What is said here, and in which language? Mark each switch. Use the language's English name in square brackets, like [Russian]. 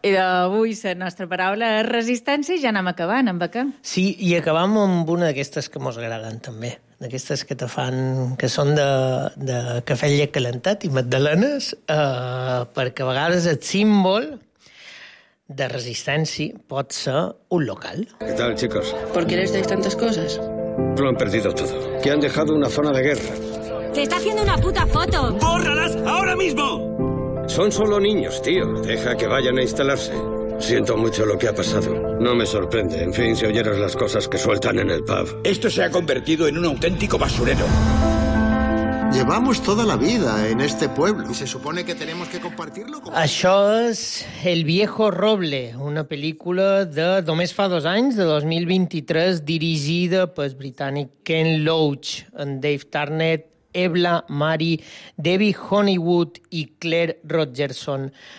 [Catalan] I avui la nostra paraula és resistència i ja anem acabant, en Bacà. Sí, i acabam amb una d'aquestes que mos agraden també. D'aquestes que te fan, que són de cafè llet calentat i magdalenes, perquè a vegades et símbol de resistència pot ser un local. [Spanish] ¿Qué tal, chicos? ¿Por qué les dais tantas cosas? Lo han perdido todo. Que han dejado una zona de guerra. ¡Te está haciendo una puta foto! ¡Bórralas ahora mismo! Son solo niños, tío. Deja que vayan a instalarse. Siento mucho lo que ha pasado. No me sorprende. En fin, si oyeras las cosas que sueltan en el pub. Esto se ha convertido en un auténtico basurero. Llevamos toda la vida en este pueblo. Y se supone que tenemos que compartirlo con... [Catalan] Això és El viejo roble, una pel·lícula de només fa dos anys, de 2023, dirigida pel britànic Ken Loach, en Dave Tarnett, Ebla Mari, Debbie Honeywood i Claire Rogerson.